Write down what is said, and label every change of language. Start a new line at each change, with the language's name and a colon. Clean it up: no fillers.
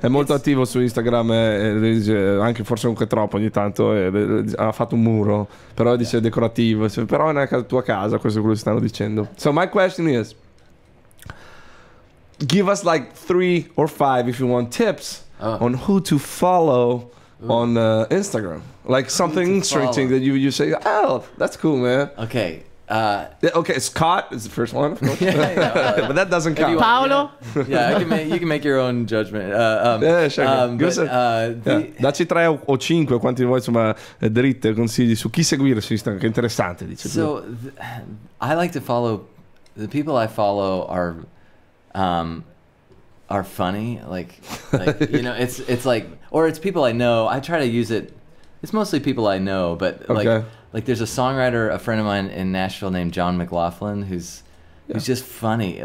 Italian: È molto attivo su Instagram, anche forse anche troppo ogni tanto. Ha fatto un muro, però dice decorativo. Però è nella tua casa, questo è quello che stanno dicendo.
English: So my question is, give us like 3 or 5, if you want, tips on who to follow on Instagram, like something interesting that you say, oh, that's cool, man. Okay. Okay, Scott is the first one, of course. But that doesn't count. Paolo? You can make your own judgment.
Italian: Dacci 3 o 5, quanti di voi, insomma, dritte, consigli su chi seguire su Instagram, che interessante, dice.
English: So, I like to follow, the people I follow are funny, like, you know, it's like, or it's people I know, I try to use it, it's mostly people I know, but okay. Like there's a songwriter, a friend of mine in Nashville named John McLaughlin, who's just funny.